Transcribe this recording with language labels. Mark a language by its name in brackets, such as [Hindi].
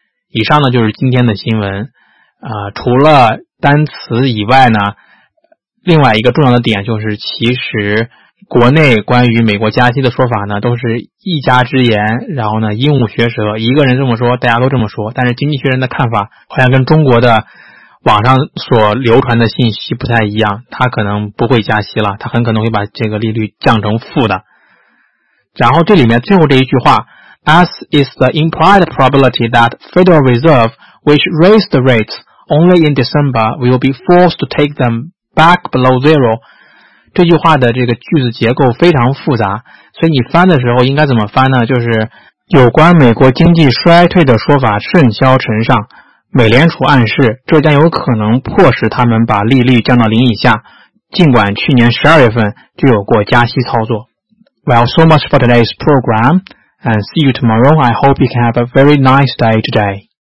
[Chinese] 以上呢就是今天的新闻。除了单词以外呢，另外一个重要的点就是其实国内关于美国加息的说法呢，都是一家之言，然后呢，鹦鹉学舌，一个人这么说，大家都这么说，但是经济学人的看法好像跟中国的网上所流传的信息不太一样，他可能不会加息了，他很可能会把这个利率降成负的。然后这里面最后这一句话 [English] ,As is the implied probability that Federal Reserve, which raised the rates only in December, will be forced to take them back below zero, [Chinese] 这句话的这个句子结构非常复杂，所以你翻的时候应该怎么翻呢？就是有关美国经济衰退的说法甚嚣尘上，美联储暗示这将有可能迫使他们把利率降到零以下，尽管去年12月份就有过加息操作。 [English] Well, so much for today's program and see you tomorrow. I hope you can have a very nice day today.